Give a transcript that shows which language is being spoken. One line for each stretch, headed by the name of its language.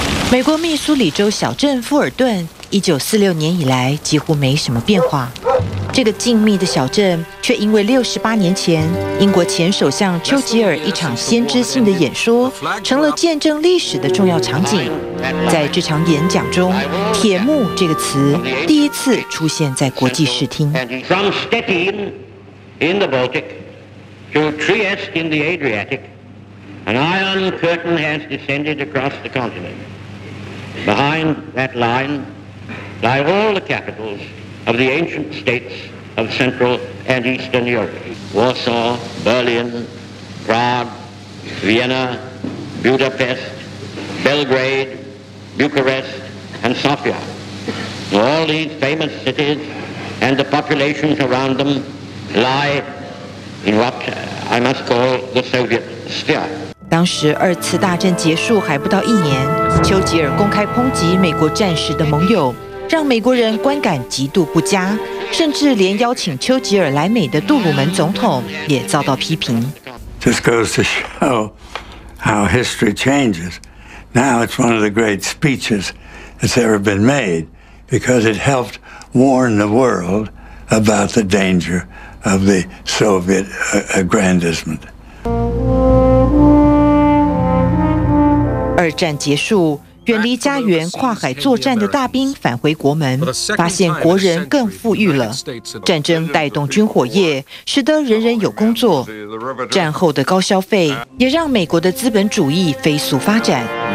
Chinese: 美国密苏里州小镇富尔顿1946年以来几乎没什么变化，这个静谧的小镇却因为68年前英国前首相丘吉尔一场先知性的演说成了见证历史的重要场景。在这场演讲中，铁幕这个词第一次出现在国际视听。
English: From Stettin in the Baltic to Trieste in the Adriatic, an iron curtain has descended across the continent. Behind that line lie all the capitals of the ancient states of Central and Eastern Europe. Warsaw, Berlin, Prague, Vienna, Budapest, Belgrade, Bucharest, and Sofia. All these famous cities and the populations around them lie in what I must call the Soviet steer.
Chinese: 当时二次大战结束还不到一年，丘吉尔公开抨击美国战时的盟友，让美国人观感极度不佳，甚至连邀请丘吉尔来美的杜鲁门总统也遭到批评。
English: This goes to show how history changes. Now it's one of the great speeches that's ever been made because it helped warn the world about the danger of the Soviet aggrandizement.
Chinese: 二战结束，远离家园跨海作战的大兵返回国门，发现国人更富裕了。战争带动军火业，使得人人有工作。战后的高消费也让美国的资本主义飞速发展。